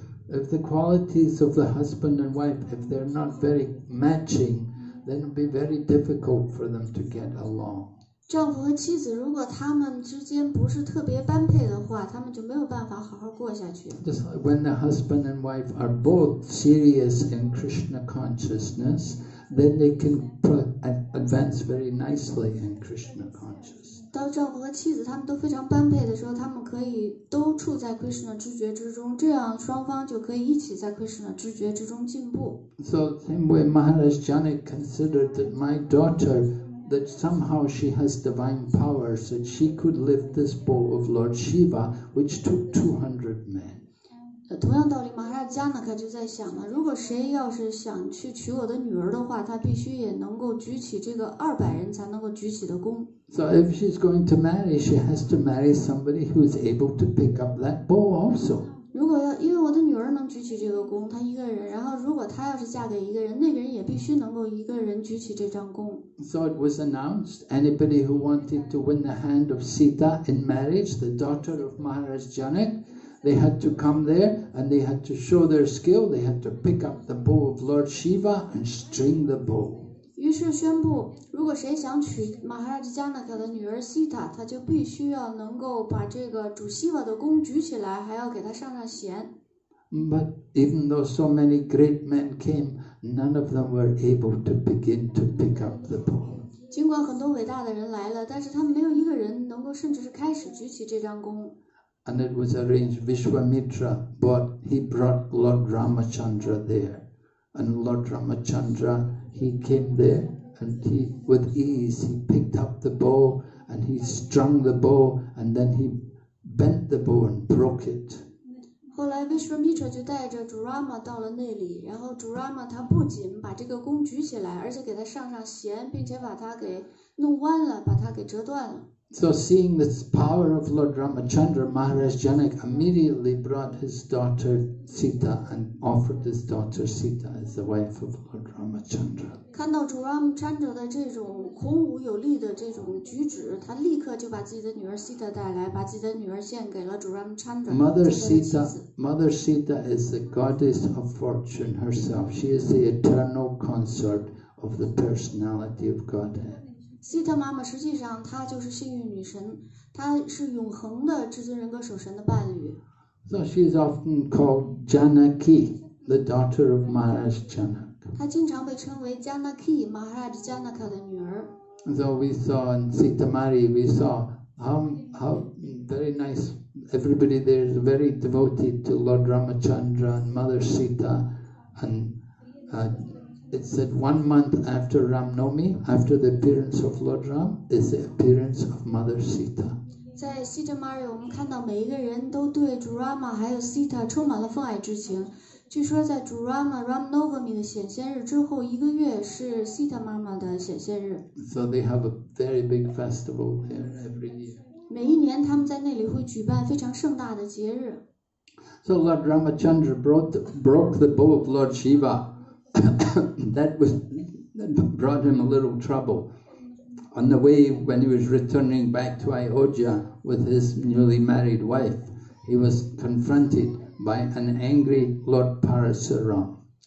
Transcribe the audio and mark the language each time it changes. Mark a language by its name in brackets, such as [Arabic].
[English] If the qualities of the husband and wife, if they're not very matching, then it'll be very difficult for them to get along. [Chinese] 丈夫和妻子如果他们之间不是特别般配的话，他们就没有办法好好过下去。 [English] Just like when the husband and wife are both serious in Krishna consciousness, then they can advance very nicely in Krishna consciousness. [Chinese] 当丈夫和妻子他们都非常般配的时候，他们可以都处在 Krishna 知觉之中，这样双方就可以一起在 Krishna 知觉之中进步。 [English] So same way, Maharaj Janak considered that my daughter, that somehow she has divine powers, that she could lift this bow of Lord Shiva, which took 200 men. [Chinese] 同样道理，马哈迦那卡就在想了，如果谁要是想去娶我的女儿的话，他必须也能够举起这个200人才能够举起的弓。 [English] So if she's going to marry, she has to marry somebody who's able to pick up that bow also. [Chinese] 如果要因为我的女儿能举起这个弓，她一个人，然后如果她要是嫁给一个人，那个人也必须能够一个人举起这张弓。 [English] So it was announced, anybody who wanted to win the hand of Sita in marriage, the daughter of Maharaj Janak. They had to come there and they had to show their skill. They had to pick up the bow of Lord Shiva and string the bow. [Chinese] 于是宣布，如果谁想娶马哈拉吉加纳卡的女儿 Sita， 他就必须要能够把这个主 Shiva 的弓举起来，还要给他上上弦。 [English] But even though so many great men came, none of them were able to begin to pick up the bow. [Chinese] 尽管很多伟大的人来了，但是他们没有一个人能够甚至是开始举起这张弓。 [English] And it was arranged. Vishwamitra, but he brought Lord Ramachandra there, and Lord Ramachandra, he came there, and he, with ease, he picked up the bow and he strung the bow, and then he bent the bow and broke it. [Chinese] 后来 Vishwamitra 就带着 Durama 到了那里，然后 Durama 他不仅把这个弓举起来，而且给他上上弦，并且把它给弄弯了，把它给折断了。 [English] So seeing the power of Lord Ramachandra, Maharaj Janak immediately brought his daughter Sita and offered his daughter Sita as the wife of Lord Ramachandra. [Chinese] 看到主 Ramachandra 的这种孔武有力的这种举止，他立刻就把自己的女儿 Sita 带来，把自己的女儿献给了主 Ramachandra. [English] Mother Sita is the goddess of fortune herself. She is the eternal consort of the personality of Godhead. [Chinese] Sita 妈妈实际上她就是幸运女神，她是永恒的至尊人格守神的伴侣。 [English] So she is often called Janaki, the daughter of Maharaj Janak. [Chinese] 她经常被称为 Janaki, Maharaj Janaka 的女儿。 [English] So we saw in Sita Mari, we saw how very nice, everybody there is very devoted to Lord Ramachandra and Mother Sita and. It said 1 month after Ram Nomi, after the appearance of Lord Ram, is the appearance of Mother Sita. [Chinese] 在 Sita Mari, 我们看到每一个人都对 主 Rama 还有 Sita 充满了奉爱之情。据说在 主 Rama Ram Novami 的显现日之后一个月是 Sita 妈妈的显现日。 [English] So they have a very big festival there every year. [Chinese] 每一年他们在那里会举办非常盛大的节日。 [English] So Lord Ramachandra broke the bow of Lord Shiva. that brought him a little trouble. On the way, when he was returning back to Ayodhya with his newly married wife, he was confronted by an angry Lord Parasuram.